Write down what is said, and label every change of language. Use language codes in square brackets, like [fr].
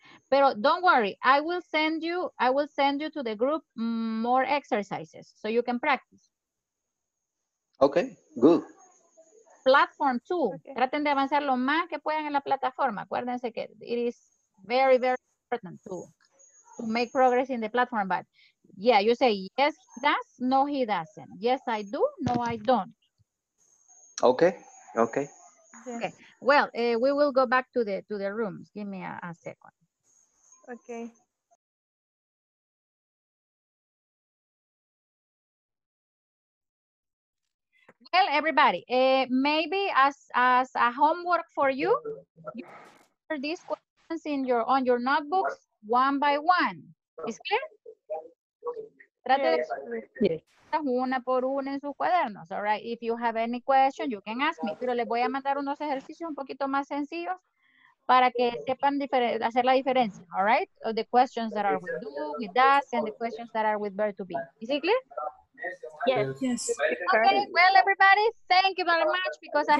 [es] Pero [en] don't worry, I will send you to the group more exercises so you can practice. Okay, good. Platform 2. Okay. [es] Traten de avanzar lo más que puedan en la plataforma. Acuérdense que [en] it is very, very important to make progress in the platform. But yeah, you say yes, he does, no, he doesn't. Yes, I do, no, I don't. Okay, okay. Okay, well, we will go back to the rooms. Give me a second. Okay. Well, everybody, maybe as a homework for you, you answer these questions on your notebooks one by one. Is clear? [es] Trate [en] yes. [es] De una por una en sus cuadernos, [en] all right? If you have any question, you can ask me. [es] Pero les voy a mandar unos ejercicios un poquito más sencillos para que sepan hacer la diferencia, [en] all right? Of the questions that are with do, with does, and the questions that are with verb to be. Is it clear? Yes. Okay, well, everybody, thank you very much because I